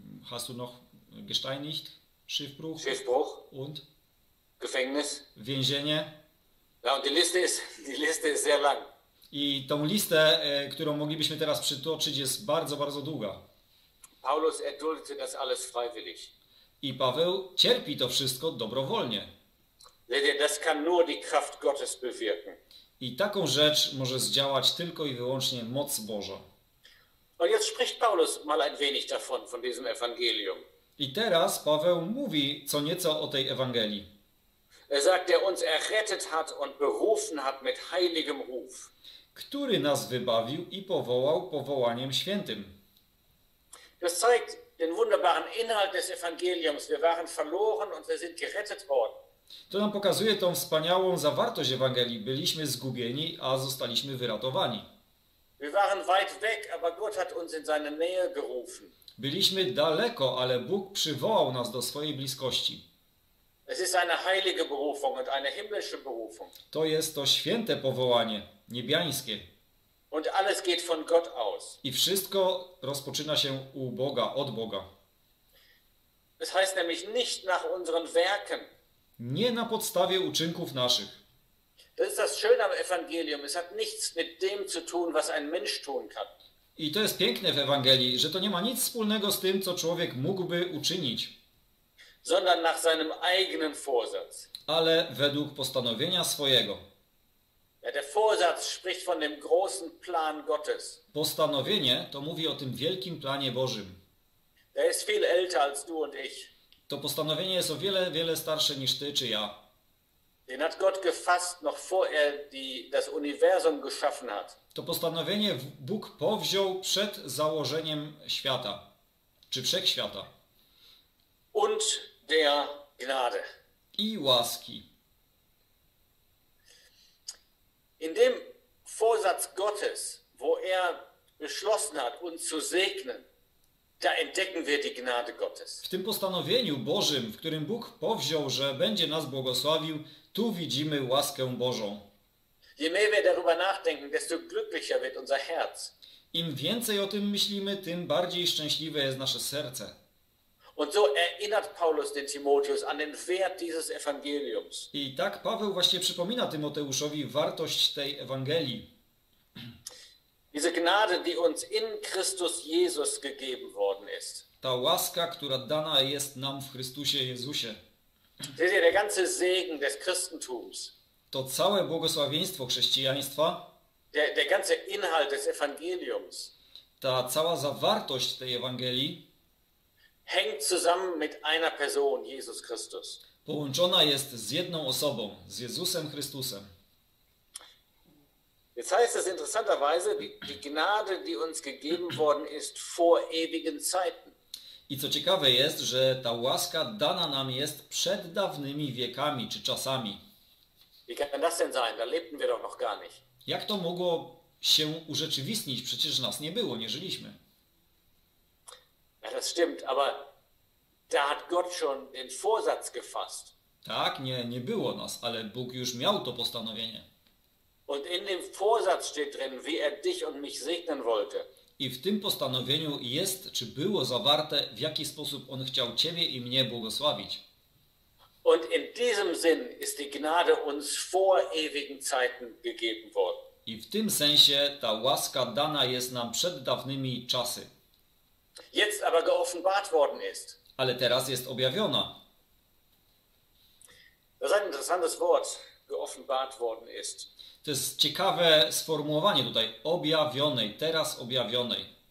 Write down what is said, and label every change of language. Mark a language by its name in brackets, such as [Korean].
[German] Hast du noch gesteinigt? Schiffbruch? Schiffbruch? Und? Gefängnis? [Polish] Więzienie? [German] Ja, und die Liste ist sehr lang. [Polish] I tą listę, którą moglibyśmy teraz przytoczyć, jest bardzo, bardzo długa. [German] Paulus erduldete das alles freiwillig. [Polish] I Paweł cierpi to wszystko dobrowolnie. [German] Das kann nur die Kraft Gottes bewirken. [Polish] I taką rzecz może zdziałać tylko i wyłącznie moc Boża. [German] Und jetzt spricht Paulus mal ein wenig davon, von diesem Evangelium. [Polish] I teraz Paweł mówi co nieco o tej Ewangelii. [German] Er sagt, der uns errettet hat und berufen hat mit heiligem Ruf. [Polish] Który nas wybawił i powołał powołaniem świętym. [German] Das zeigt den wunderbaren Inhalt des Evangeliums. Wir waren verloren und wir sind gerettet worden. [Polish] To nam pokazuje tą wspaniałą zawartość Ewangelii. Byliśmy zgubieni, a zostaliśmy wyratowani. [German] Wir waren weit weg, aber Gott hat uns in seine Nähe gerufen. [Polish] Byliśmy daleko, ale Bóg przywołał nas do swojej bliskości. [German] Es ist eine heilige Berufung und eine himmlische Berufung. [Polish] To jest to święte powołanie, niebiańskie. [German] Und alles geht von Gott aus. [Polish] I wszystko rozpoczyna się u Boga, od Boga. [German] Es heißt nämlich nicht nach unseren Werken. [Polish] Nie na podstawie uczynków naszych. [German] Das ist das schöne am Evangelium. Es hat nichts mit dem zu tun, was ein Mensch tun kann. [Polish] I to jest piękne w Ewangelii, że to nie ma nic wspólnego z tym, co człowiek mógłby uczynić. [German] Sondern nach seinem eigenen Vorsatz. [Polish] Ale według postanowienia swojego. [German] Ja, der Vorsatz spricht von dem großen Plan Gottes. [Polish] Postanowienie to mówi o tym wielkim planie Bożym. [German] Der ist viel älter als du und ich. [Polish] To postanowienie jest o wiele, wiele starsze niż ty czy ja. [German] Den hat Gott gefasst, noch vor er das Universum geschaffen hat. [Polish] To postanowienie Bóg powziął przed założeniem świata, czy wszechświata. [German] Und der Gnade. [Polish] I łaski. [German] In dem Vorsatz Gottes, wo er beschlossen hat, uns zu segnen, da entdecken wir die Gnade Gottes. [Polish] W tym postanowieniu Bożym, w którym Bóg powziął, że będzie nas błogosławił, tu widzimy łaskę Bożą. [German] Je mehr wir darüber nachdenken, desto glücklicher wird unser Herz. [Polish] Im więcej o tym myślimy, tym bardziej szczęśliwe jest nasze serce. [German] Und so erinnert Paulus den Timotheus an den Wert dieses Evangeliums. [Polish] I tak Paweł właśnie przypomina Tymoteuszowi wartość tej Ewangelii. [German] Diese Gnade, die uns in Christus Jesus gegeben worden ist. [Polish] Ta łaska, która dana jest nam w Chrystusie Jezusie. [German] Seht ihr, der ganze Segen des Christentums. [Polish] To całe błogosławieństwo chrześcijaństwa. [German] Der ganze Inhalt des Evangeliums. [Polish] Ta cała zawartość tej Ewangelii. [German] Hängt zusammen mit einer Person, Jesus Christus. [Polish] Połączona jest z jedną osobą, z Jezusem Chrystusem. [German] Jetzt heißt es interessanterweise, die Gnade, die uns gegeben worden ist vor ewigen Zeiten. [Polish] I co ciekawe jest, że ta łaska dana nam jest przed dawnymi wiekami czy czasami. [German] Wie kann das denn sein? Da lebten wir doch noch gar nicht. [Polish] Jak to mogło się urzeczywistnić? Przecież nas nie było, nie żyliśmy. [German] Ja, das stimmt, aber da hat Gott schon den Vorsatz gefasst. [Polish] Tak, nie, nie było nas, ale Bóg już miał to postanowienie. [German] Und in dem Vorsatz steht drin, wie er dich und mich segnen wollte. [Polish] I w tym postanowieniu jest, czy było zawarte, w jaki sposób on chciał ciebie i mnie błogosławić. [German] Und in diesem Sinn ist die Gnade uns vor ewigen Zeiten gegeben worden. [Polish] I w tym sensie ta łaska dana jest nam przed dawnymi czasy. [German] Jetzt aber geoffenbart worden ist. [Polish] Ale teraz jest objawiona. [German] Das ist ein interessantes Wort, geoffenbart worden ist. [Polish] To jest ciekawe sformułowanie tutaj, objawionej, teraz objawionej.